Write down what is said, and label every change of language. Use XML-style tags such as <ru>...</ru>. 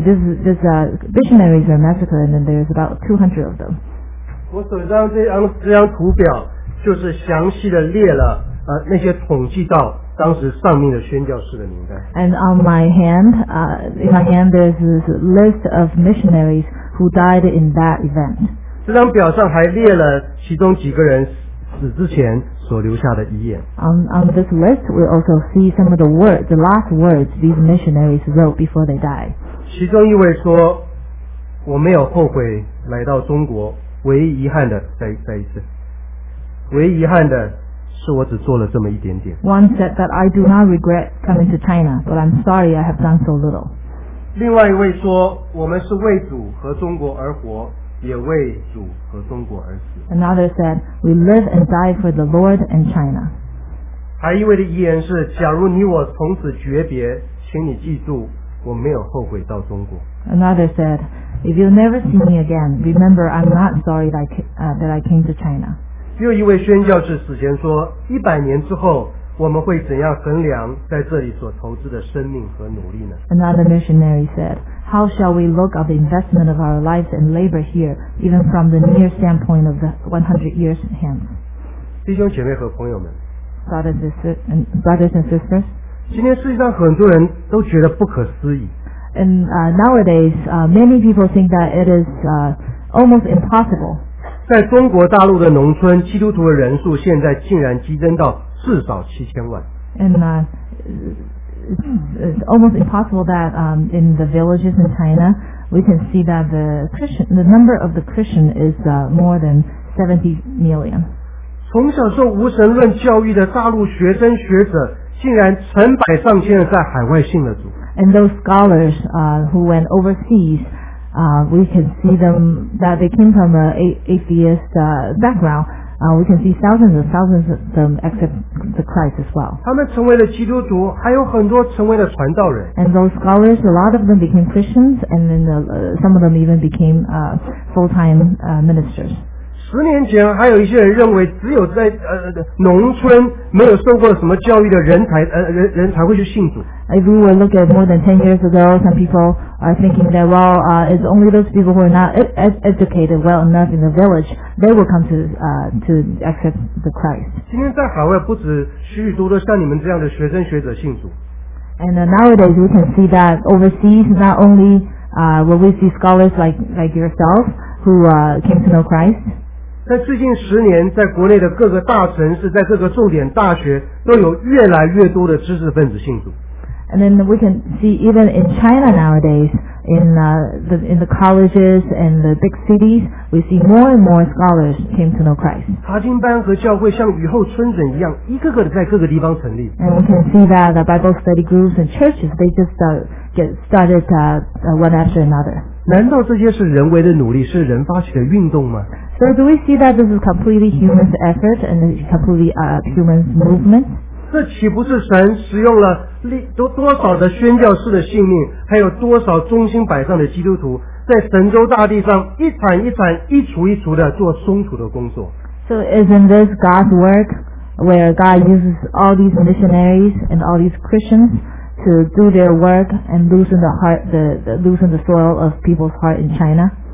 <en>Missionaries are massacred, and then there's about 200 of them.</en> <zh>我手上这张图表就是详细的列了那些统计到当时丧命的宣教士的名单。</zh> <en>And on my hand, there's this list of missionaries who died in that event.</en> <zh>这张表上还列了其中几个人死之前所留下的遗言。</zh> <en>On this list, we also see some of the last words these missionaries wrote before they died.</en> <zh>其中一位说：“我没有后悔来到中国，唯一遗憾的，再一次，唯一遗憾的。” 是我只做了这么一点点。</zh> <en>One said that I do not regret coming to China, but I'm sorry I have done so little.</en> <zh>另外一位说，我们是为主和中国而活，也为主和中国而死。</zh> <en>Another said, we live and die for the Lord and China.</en> <zh>还一位的遗言是，假如你我从此诀别，请你记住，我没有后悔到中国。</zh> <en>Another said, if you never see me again, remember I'm not sorry that I came to China.</en> <zh>又一位宣教士死前说，100年之后我们会怎样衡量在这里所投资的生命和努力呢？</zh> <en>Another missionary said, how shall we look at the investment of our lives and labor here, even from the near standpoint of the 100 years hence?</en> <zh>弟兄姐妹和朋友们，</zh> <en>brothers and sisters,</en> <zh>今天世界上很多人都觉得不可思议。</zh> <en>And nowadays, many people think that it is almost impossible.</en> <zh>在中国大陆的农村，基督徒的人数现在竟然激增到至少7000万。</zh> <en>And it's almost impossible that in the villages in China, we can see that the number of the Christian is more than 70 million.</en> <zh>从小受无神论教育的大陆学生学者，竟然成百上千的在海外信了主。</zh> <en>And those scholars who went overseas. We can see them that they came from an atheist background. We can see thousands and thousands of them accept the Christ as well.</en> <zh>他们成为了基督徒，还有很多成为了传道人。</zh> <en>And those scholars, a lot of them became Christians, and then some of them even became full-time ministers.</en> <zh>十年前，还有一些人认为只有在农村没有受过什么教育的人才会去信主。</zh> <en>If we were looking at more than 10 years ago, some people are thinking that, well, it's only those people who are not educated well enough in the village, they will come to accept the Christ.</en> <zh>今天在海外不止许许多多像你们这样的学生学者信主。</zh> <en>And nowadays we can see that overseas, not only will we see scholars like yourself who came to know Christ.</en> <zh>在最近十年，在国内的各个大城市，在各个重点大学，都有越来越多的知识分子信主。</zh> <en>And then we can see even in China nowadays, in the colleges and the big cities, we see more and more scholars came to know Christ.</en> <zh>查经班和教会像雨后春笋一样，一个个的在各个地方成立。</zh> <en>And we can see that the Bible study groups and churches, they just get started one after another.</en> <zh>难道这些是人为的努力，是人发起的运动吗？</zh> <en>So do we see that this is completely human's effort and completely human's movement?</en> <zh>这岂不是神使用了多少的宣教士的性命，还有多少忠心摆上的基督徒，在神州大地上一铲一铲、一锄一锄的做松土的工作。</zh> <en>So isn't this God's work? where God uses all these missionaries and all these Christians to do their work and loosen the heart, loosen the soil of people's heart in China.</en>